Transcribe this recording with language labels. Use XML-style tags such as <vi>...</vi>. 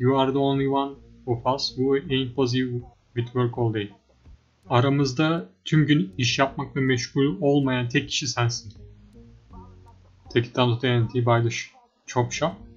<en>You are the only one of us who ain't busy with work all day.</en> <tr>Aramızda tüm gün iş yapmakla meşgul olmayan tek kişi sensin.</tr> <en>Take it down to the NT by the chop shop.</en>